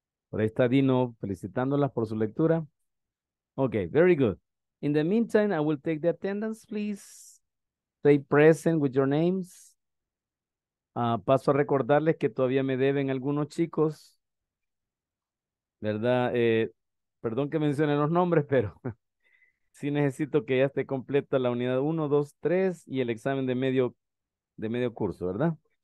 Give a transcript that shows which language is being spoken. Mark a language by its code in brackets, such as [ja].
[es] Por ahí está Dino felicitándolas por su lectura. [en] Okay, very good. In the meantime, I will take the attendance, please. Stay present with your names. [es] Paso a recordarles que todavía me deben algunos chicos. ¿Verdad? Perdón que mencione los nombres, pero sí necesito que ya esté completa la unidad 1, 2, 3 y el examen de medio curso, ¿verdad?